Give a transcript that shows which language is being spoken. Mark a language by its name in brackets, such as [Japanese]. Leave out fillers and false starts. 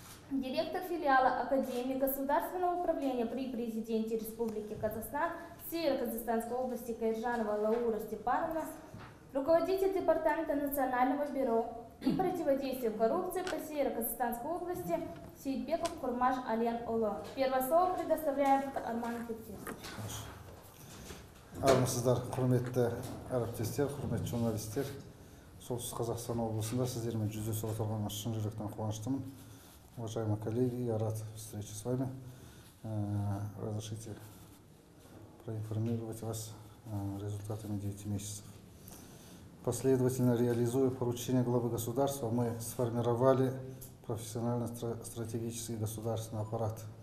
[Russian] директор филиала Академии государственного управления при президенте Республики Казахстан Северо-Казахстанской области Кайржанова Лаура Степановна, руководитель департамента Национального бюро и противодействия коррупции по Северо-Казахстанской области Сейбеков Курмаш Ален Оло. Первое слово предоставляет Арман Петрович. [Kazakh] Армысыздар, құрметті әріптестер, құрметті журналистер, Солтүстік Қазақстан облысында сіздермен жүздесіп отырғаныма шын жүректен қуаныштымын. [Russian] Уважаемые коллеги, я рад встрече с вами. Разрешите проинформировать вас результатами 9 месяцев. Последовательно реализуя поручение главы государства, мы сформировали профессионально-стратегический государственный аппарат.